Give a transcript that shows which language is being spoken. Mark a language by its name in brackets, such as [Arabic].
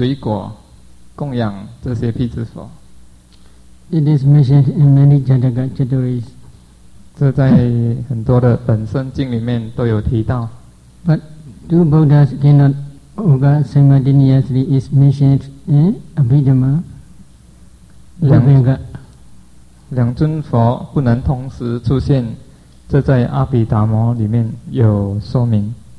[Chinese] 他供养这些辟支佛，他以水果供养这些辟支佛。 [English] It is mentioned in many Jataka Chaturis. [Chinese] 这在很多的本生经里面都有提到。 [English] But two Buddhas cannot occur simultaneously is mentioned in Abhidhamma. [Chinese] 两尊佛不能同时出现，这在阿毗达摩里面有说明。